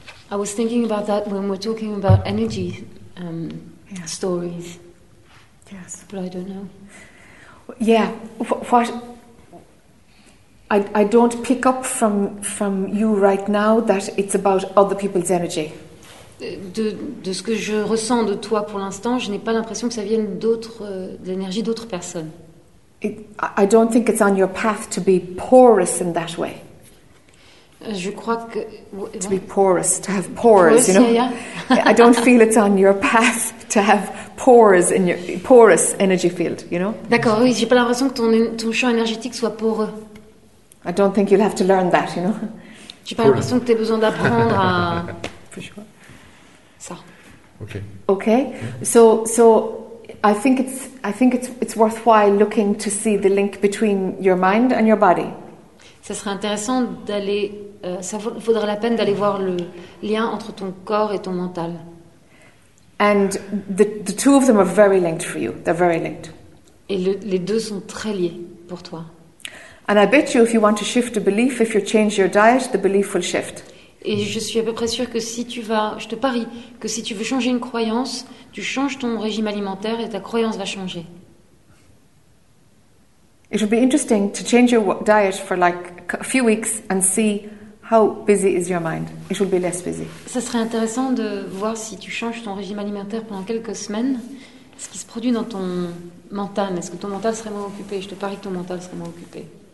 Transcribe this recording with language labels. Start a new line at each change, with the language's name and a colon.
English: I was thinking about that when we're talking about energy stories. Yes, but I don't know. Yeah, what I don't pick up from you right now that it's about other people's energy.
French: De ce que je ressens de toi pour l'instant, je n'ai pas l'impression que ça vienne d'énergie d'autres personnes.
English: I don't think it's on your path to be porous in that way.
French: Je crois que
English: to be porous, to have pores, you know. Yeah. I don't feel it's on your path to have pores in your porous energy field, you know.
French: D'accord. Oui, j'ai pas l'impression que ton champ énergétique soit poreux.
English: I don't think you'll have to learn that, you know.
French: J'ai pas l'impression que t'aies besoin d'apprendre à ça.
English: Okay. So I think it's worthwhile looking to see the link between your mind and your body.
French: Ça serait intéressant d'aller. Ça vaudrait la peine d'aller voir le lien entre ton corps et ton mental.
English: And the two of them are very linked for you. They're very linked.
French: Et les deux sont très liés pour toi.
English: And I bet you, if you want to shift a belief, if you change your diet, the belief will shift.
French: Et je suis à peu près sûre que si tu vas, je te parie que si tu veux changer une croyance, tu changes ton régime alimentaire et ta croyance va changer.
English: It would be interesting to change your diet for like a few weeks and see how busy is your mind. It would be less busy.
French: Ça serait intéressant de voir si tu changes ton régime alimentaire pendant quelques semaines, ce qui se produit dans ton mental. Est-ce que ton mental serait moins occupé? Je te parie que ton mental serait moins occupé.